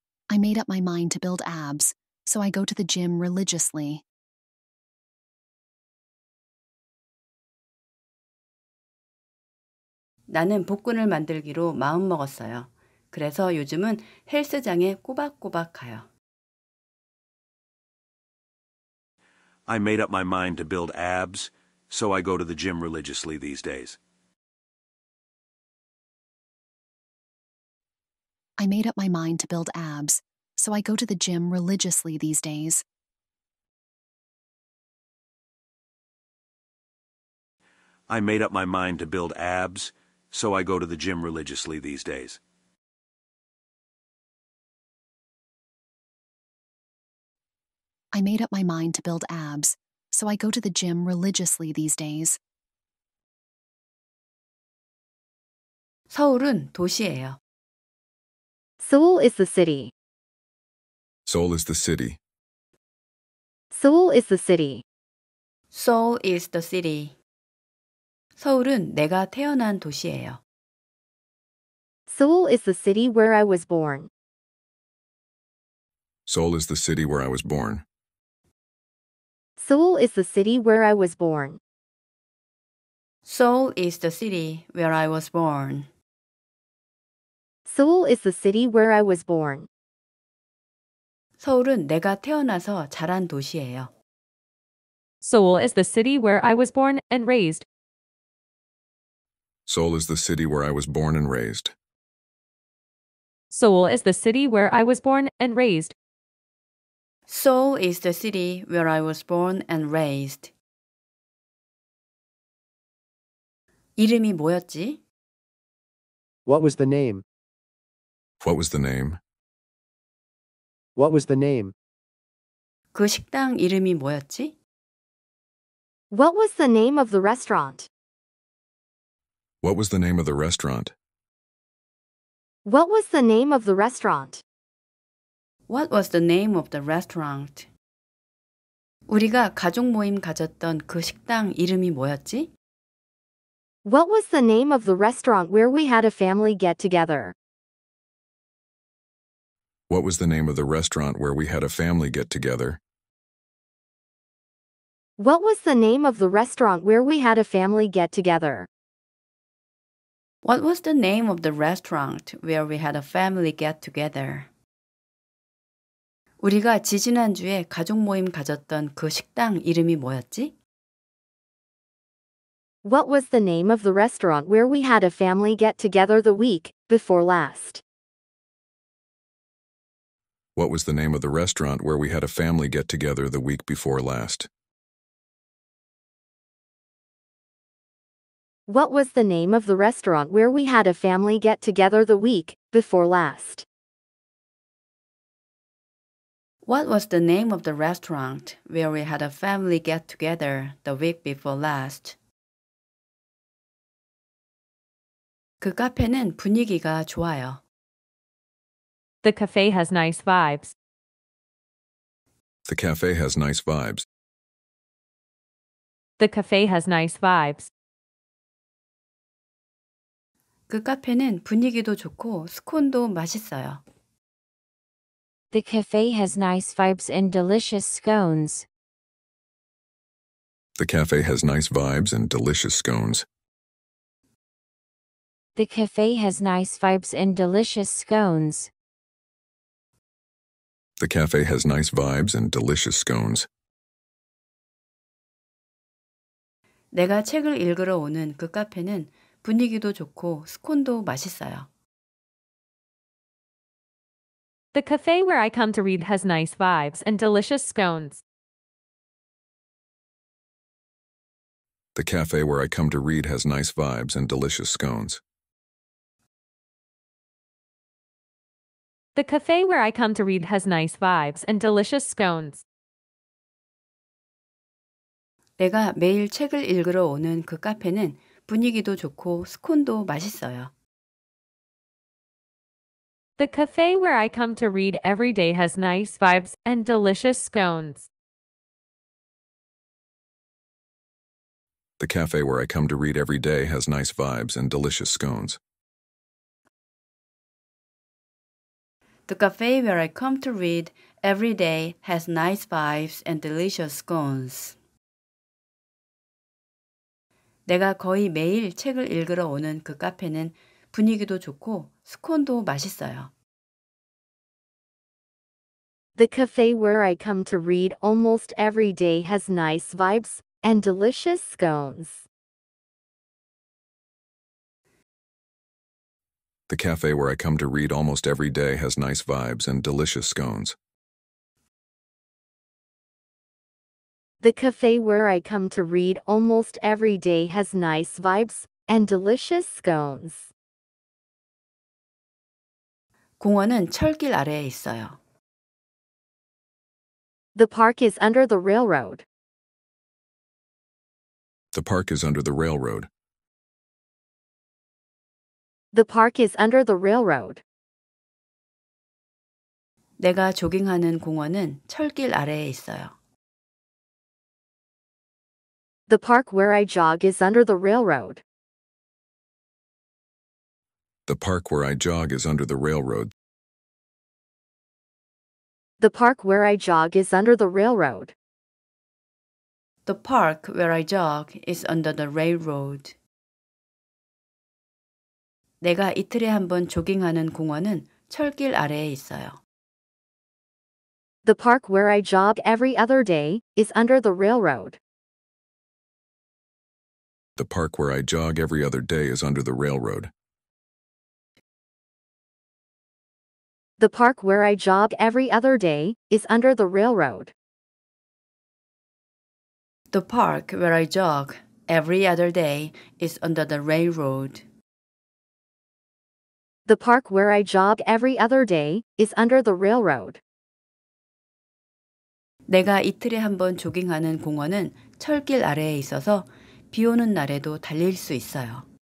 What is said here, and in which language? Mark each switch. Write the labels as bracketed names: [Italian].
[English] I made up my mind to build abs, so I go to the gym religiously. [Korean] 나는 복근을 만들기로 마음먹었어요. 그래서 요즘은 헬스장에 꼬박꼬박 가요. [English] I made up my mind to build abs, so I go to the gym religiously these days. I made up my mind to build abs, so I go to the gym religiously these days. I made up my mind to build abs, so I go to the gym religiously these days. I made up my mind to build abs, so I go to the gym religiously these days. [Korean] 서울은 도시예요. [English] Seoul is the city. Seoul is the city. Seoul is the city. Seoul is the city. [Korean] 서울은 내가 태어난 도시예요. [English] Seoul is the city where I was born. Seoul is the city where I was born. Seoul is the city where I was born. Seoul is the city where I was born. Seoul is the city where I was born. [Korean] 서울은 내가 태어나서 자란 도시예요. [English] Seoul is the city where I was born and raised. Seoul is the city where I was born and raised. Seoul is the city where I was born and raised. Seoul is the city where I was born and raised. [Korean] 이름이 뭐였지? [English] What was the name? What was the name? What was the name? [Korean] 그 식당 이름이 뭐였지? [English] What was the name of the restaurant? What was the name of the restaurant? What was the name of the restaurant? What was the name of the restaurant? [Korean] 우리가 가족 모임 가졌던 그 식당 이름이 뭐였지? [English] What was the name of the restaurant where we had a family get together? What was the name of the restaurant where we had a family get together? What was the name of the restaurant where we had a family get together? What was the name of the restaurant where we had a family get together? [Korean] 우리가 지지난주에 가족 모임 가졌던 그 식당 이름이 뭐였지? [English] What was the name of the restaurant where we had a family get together the week before last? What was the name of the restaurant where we had a family get together the week before last? What was the name of the restaurant where we had a family get together the week before last? What was the name of the restaurant where we had a family get together the week before last? [Korean] 그 카페는 분위기가 좋아요. [English] The cafe has nice vibes. The cafe has nice vibes. The cafe has nice vibes. [Korean] 그 카페는 분위기도 좋고 스콘도 맛있어요. [English] The cafe has nice vibes and delicious scones. The cafe has nice vibes and delicious scones. The cafe has nice vibes and delicious scones. The cafe has nice vibes and delicious scones. [Korean] 내가 책을 읽으러 오는 그 카페는 분위기도 좋고 스콘도 맛있어요. [English] The cafe where I come to read has nice vibes and delicious scones. The cafe where I come to read has nice vibes and delicious scones. The cafe where I come to read has nice vibes and delicious scones. [Korean] 내가 매일 책을 읽으러 오는 그 카페는 분위기도 좋고 스콘도 맛있어요. [English] The cafe where I come to read every day has nice vibes and delicious scones. The cafe where I come to read every day has nice vibes and delicious scones. The cafe where I come to read every day has nice vibes and delicious scones. [Korean] 내가 거의 매일 책을 읽으러 오는 그 카페는 분위기도 좋고 스콘도 맛있어요. [English] The cafe where I come to read almost every day has nice vibes and delicious scones. The cafe where I come to read almost every day has nice vibes and delicious scones. The cafe where I come to read almost every day has nice vibes and delicious scones. [Korean] 공원은 철길 아래에 있어요. [English] The park is under the railroad. The park is under the railroad. The park is under the railroad. [Korean] 내가 조깅하는 공원은 철길 아래에 있어요. [English] The park where I jog is under the railroad. The park where I jog is under the railroad. The park where I jog is under the railroad. The park where I jog is under the railroad. [Korean] 내가 이틀에 한 번 조깅하는 공원은 철길 아래에 있어요. [English] The park where I jog every other day is under the railroad. The park where I jog every other day is under the railroad. The park where I jog every other day is under the railroad. The park where I jog every other day is under the railroad. The park where I jog every other day is under the railroad. [Korean] 내가 이틀에 한 번 조깅하는 공원은 철길 아래에 있어서 비 오는 날에도 달릴 수 있어요.